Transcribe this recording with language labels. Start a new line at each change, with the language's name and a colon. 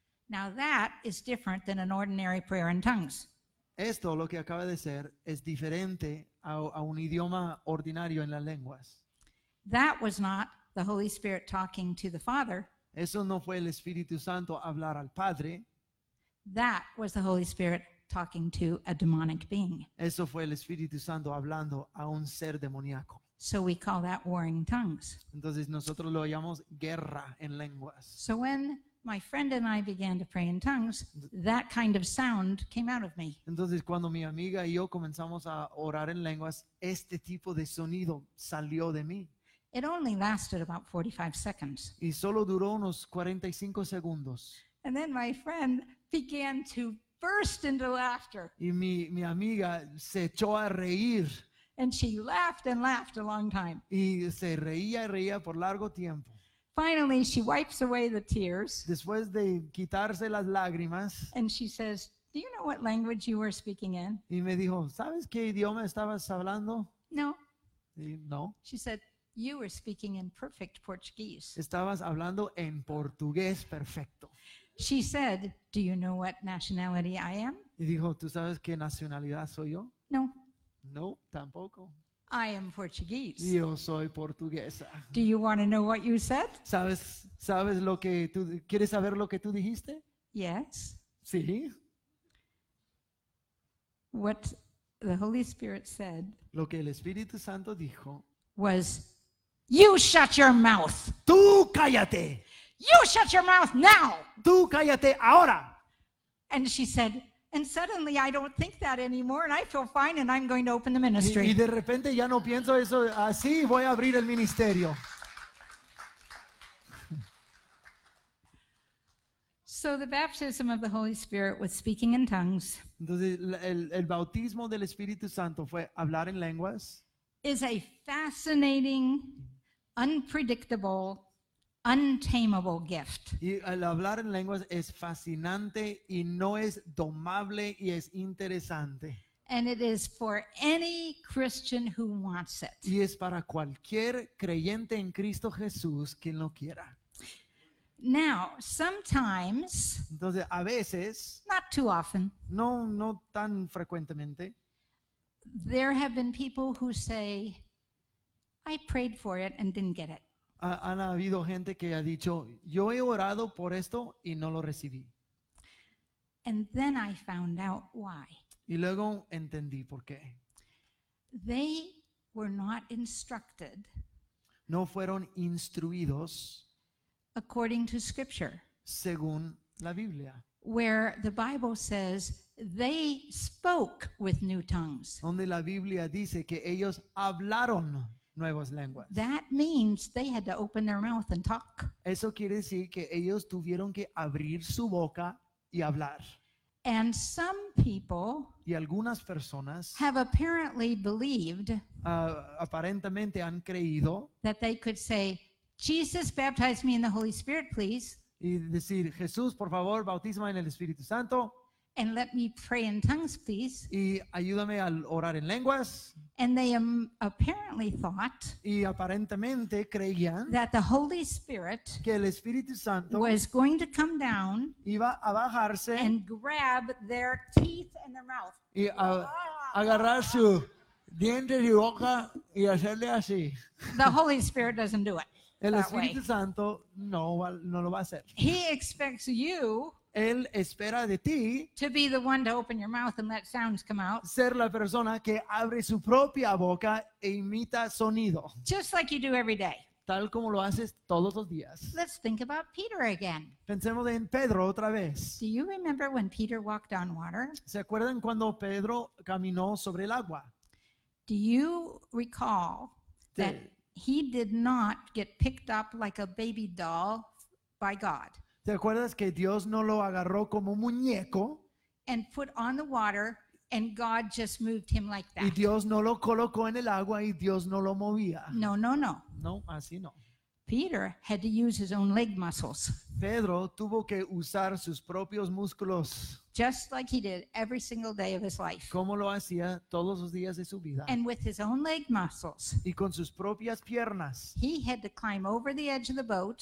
English: Now that is different than an ordinary prayer in tongues.
Spanish: Esto, lo que acaba de ser, es diferente a un idioma ordinario en las lenguas.
English: That was not the Holy Spirit talking to the Father.
Spanish: Eso no fue el Espíritu Santo hablar al Padre.
English: That was the Holy Spirit talking to a demonic being.
Spanish: Eso fue el Espíritu Santo hablando a un ser demoníaco.
English: So we call that warring tongues.
Spanish: Entonces nosotros lo llamamos guerra en lenguas.
English: So when my friend and I began to pray in tongues, that kind of sound came out of me.
Spanish: Entonces cuando mi amiga y yo comenzamos a orar en lenguas, este tipo de sonido salió de mí.
English: It only lasted about 45 seconds.
Spanish: Y solo duró unos 45 segundos.
English: And then my friend began to burst into laughter.
Spanish: Y mi amiga se echó a reír.
English: And she laughed and laughed a long time.
Spanish: Y se reía y reía por largo tiempo.
English: Finally, she wipes away the tears.
Spanish: Después de quitarse las lágrimas.
English: And she says, do you know what language you were speaking in?
Spanish: Y me dijo, ¿sabes qué idioma estabas hablando?
English: No.
Spanish: Y, no.
English: She said, you were speaking in perfect Portuguese.
Spanish: Estabas hablando en portugués perfecto.
English: She said, do you know what nationality I am?
Spanish: Y dijo, ¿tú sabes qué nacionalidad soy yo?
English: No.
Spanish: No, tampoco.
English: I am Portuguese.
Spanish: Yo soy portuguesa.
English: Do you want to know what you said?
Spanish: ¿Sabes lo que tú, quieres saber lo que tú dijiste?
English: Yes.
Spanish: Sí.
English: What the Holy Spirit said.
Spanish: Lo que el Espíritu Santo dijo.
English: Was, you shut your mouth.
Spanish: Tú cállate.
English: You shut your mouth now.
Spanish: Tú cállate ahora.
English: And she said, and suddenly I don't think that anymore and I feel fine and I'm going to open the ministry.
Spanish: Y de repente ya no pienso eso así, voy a abrir el ministerio.
English: So the baptism of the Holy Spirit was speaking in tongues.
Spanish: Entonces el bautismo del Espíritu Santo fue hablar en lenguas.
English: Is a fascinating, unpredictable, untamable gift.
Spanish: Y el hablar en lenguas es fascinante y no es domable y es interesante.
English: And it is for any Christian who wants it.
Spanish: Y es para cualquier creyente en Cristo Jesús quien lo quiera.
English: Now, sometimes.
Spanish: Entonces, a veces.
English: Not too often.
Spanish: No tan frecuentemente.
English: There have been people who say, I prayed for it and didn't get it.
Spanish: Han habido gente que ha dicho, yo he orado por esto y no lo recibí.
English: And then I found out why.
Spanish: Y luego entendí por qué.
English: They were not instructed.
Spanish: No fueron instruidos.
English: According to Scripture.
Spanish: Según la Biblia.
English: Where the Bible says they spoke with new tongues.
Spanish: Donde la Biblia dice que ellos hablaron nuevas lenguas.
English: That means they had to open their mouth and talk.
Spanish: Eso quiere decir que ellos tuvieron que abrir su boca y hablar.
English: And some people,
Spanish: y algunas personas,
English: have apparently believed,
Spanish: aparentemente han creído,
English: that they could say, Jesus, baptize me in the Holy Spirit, please.
Spanish: Y decir, Jesús, por favor, bautízame en el Espíritu Santo.
English: And let me pray in tongues, please.
Spanish: Y ayúdame a orar en lenguas.
English: And they apparently thought,
Spanish: y aparentemente creían,
English: that the Holy Spirit,
Spanish: que el Espíritu Santo,
English: was going to come down,
Spanish: iba a bajarse,
English: and grab their teeth and their mouth.
Spanish: Y agarrar su diente y boca y hacerle así.
English: The Holy Spirit doesn't do it.
Spanish: El Espíritu Santo no, no lo va a hacer.
English: He expects you,
Spanish: él espera de ti,
English: to be the one to open your mouth and let sounds come out.
Spanish: Ser la persona que abre su propia boca e imita sonido.
English: Just like you do every day.
Spanish: Tal como lo haces todos los días.
English: Let's think about Peter again.
Spanish: Pensemos en Pedro otra vez.
English: Do you remember when Peter walked on water?
Spanish: ¿Se acuerdan cuando Pedro caminó sobre el agua?
English: Do you recall that he did not get picked up like a baby doll by God?
Spanish: ¿Te acuerdas que Dios no lo agarró como un muñeco?
English: And put on the water, and God just moved him like that.
Spanish: Y Dios no lo colocó en el agua y Dios no lo movía.
English: No, no, no.
Spanish: No, así no.
English: Peter had to use his own leg muscles.
Spanish: Pedro tuvo que usar sus propios músculos.
English: Just like he did every single day of his life.
Spanish: Como lo hacía todos los días de su vida.
English: And with his own leg muscles.
Spanish: Y con sus propias piernas.
English: He had to climb over the edge of the boat.